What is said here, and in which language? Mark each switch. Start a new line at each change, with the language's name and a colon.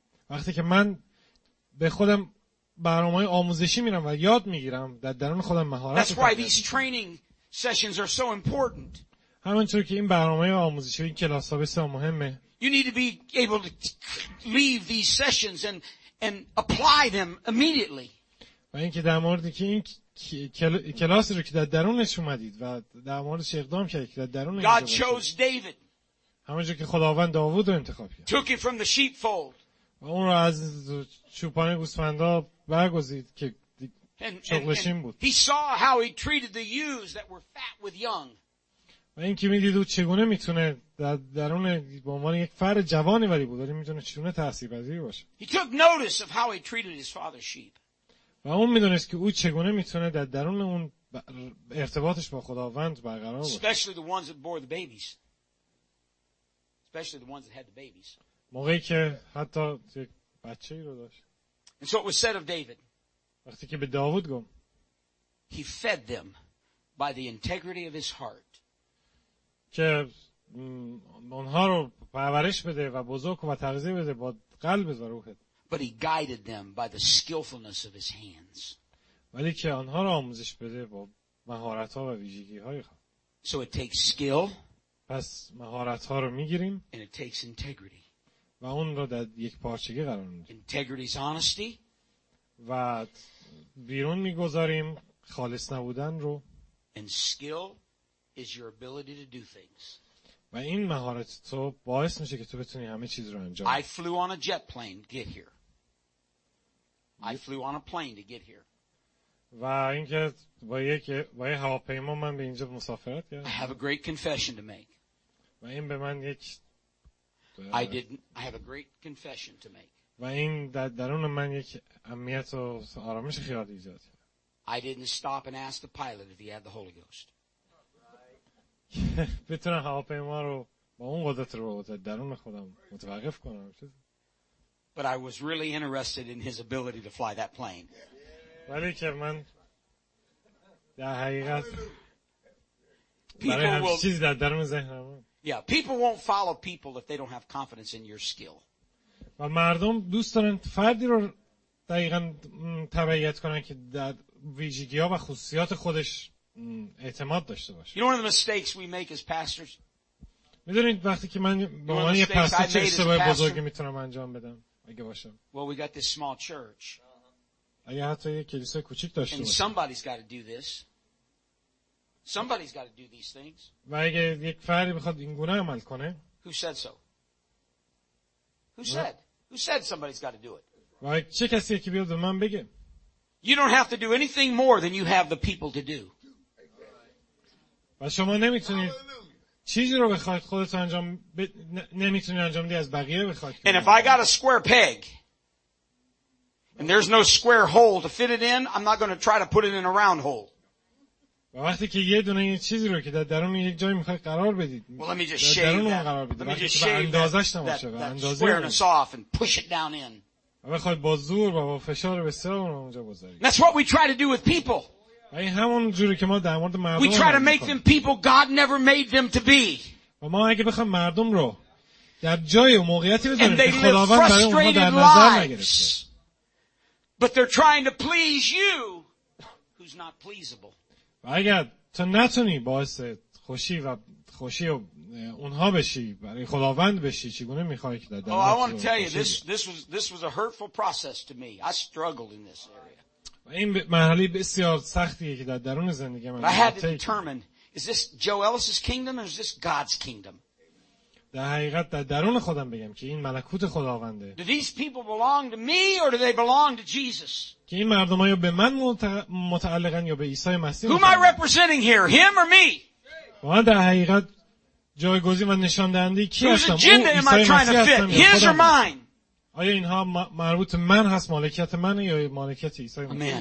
Persian: وقتی که من به خودم برنامه آموزشی میرم و یاد میگیرم در درون خودم مهارت میگیرم همونطور که این برنامه آموزشی و این کلاس ها بسیار مهمه
English: You need to be able to leave these sessions and apply them immediately.
Persian: و اینکه در مورد که این کلاسی رو که در درونش اومدید و در موردش اقدام کردید که در درون
English: God chose David.
Persian: همونجور که خداوند داوود رو انتخاب کرد.
English: Took him from the sheepfold.
Persian: و اون رو از چوپان گوسفندا برگزید که شغلشین بود.
English: He saw how he treated the ewes that were fat with young.
Persian: و اینکه می‌دید او چگونه می‌تونه در درون به عنوان یک فر جوانی ولی بود ولی می‌تونه چگونه تأثیرپذیر باشه.
English: He took notice of how he treated his father's sheep.
Persian: و اون میدونست که او چگونه میتونه در درون اون ارتباطش با خداوند برقرار باشه.
English: Especially the ones that bore the babies. Especially the ones that had the babies.
Persian: موقعی که حتی یک بچه‌ای رو داشت.
English: And so it was said of David.
Persian: وقتی که به داوود گفت.
English: He fed them by the integrity of his heart.
Persian: که اونها رو پرورش بده و بزرگ و تغذیه بده با قلب و روحت.
English: But he guided them by the skillfulness of his hands.
Persian: ولی که آنها را آموزش بده با مهارت‌ها و ویژگی‌های خود.
English: So it takes skill.
Persian: پس مهارت‌ها رو می‌گیریم.
English: And it takes integrity.
Persian: و اون را در یک پارچگی قرار می‌دهیم.
English: Integrity is honesty.
Persian: و بیرون می‌گذاریم خالص نبودن رو.
English: And skill is your ability to do things.
Persian: و این مهارت تو باعث میشه که تو بتونی همه چیز رو انجام بدی.
English: I flew on a jet plane to get here. I flew on a plane to get here.
Persian: و اینکه با یک هواپیما من به اینجا مسافرت کردم.
English: I have a great confession to make.
Persian: و این به من یک
English: I have a great confession to make.
Persian: و این در درون من یک امنیت و آرامش خیالی ایجاد کرد.
English: I didn't stop and ask the pilot if he had the Holy Ghost.
Persian: بتونم هواپیما رو با اون قدرت رو درون خودم متوقف کنم
English: But I was really interested in his ability to fly that plane.
Persian: ولی که من در حقیقت برای همه چیز در درون ذهنم
English: Yeah, people won't follow people if they don't have confidence in your skill.
Persian: و مردم دوست دارن فردی رو دقیقا تبعیت کنن که در ویژگی ها و خصوصیات خودش اعتماد داشته باشه.
English: You know one of the mistakes we make as pastors.
Persian: میدونید وقتی که من به عنوان یه پاستور چه اشتباهی بزرگی میتونم انجام بدم اگه باشم.
English: Well, we got this small church.
Persian: اگه حتی یه کلیسا کوچیک داشته باشم.
English: And somebody's got to do this. Somebody's got to do these things.
Persian: و اگه یک فردی بخواد این گونه عمل کنه.
English: Who said so? Who said? Who said somebody's got to do it?
Persian: و چه کسی که بیاد به من بگه.
English: You don't have to do anything more than you have the people to do.
Persian: و شما نمیتونید چیزی رو بخواید خودتون انجام نمیتونید انجام بدید از بقیه بخواید.
English: And if I got a square peg and there's no square hole to fit it in, I'm not going to try to put it in a round hole.
Persian: و وقتی که یه دونه یه چیزی رو که در درون یک جایی میخواید قرار بدید.
English: Well, let me just shave that. Squareness off and push it down in.
Persian: و بخواید با زور و با فشار بسیار اون رو اونجا بذارید.
English: That's what we try to do with people.
Persian: ای همون جوری که ما در مورد مردم
English: We try to make them people God never made them to be.
Persian: و ما اگه بخوام مردم رو در جای و موقعیتی بذاریم که خداوند برای اونها در نظر نگرفته.
English: But they're trying to please you who's not pleasable.
Persian: و اگر تو نتونی باعث خوشی و خوشی و اونها بشی، برای خداوند بشی، چگونه میخوای که در
English: I want to tell you this was a hurtful process to me. I struggled in this area.
Persian: این مرحله بسیار سختیه که در درون زندگی من.
English: I had to determine, is this Joel's kingdom or is this God's kingdom?
Persian: در حقیقت در درون خودم بگم که این ملکوت خداونده.
English: Do these people belong to me or do they belong to Jesus?
Persian: که این مردم ها یا به من متعلقن یا به عیسی مسیح.
English: Who am I representing here, him or me?
Persian: من در حقیقت جایگزین و نشان دهنده کی هستم؟
English: His or mine?
Persian: آیا اینها مربوط من هست، مالکیت من یا مالکیت عیسی مسیح؟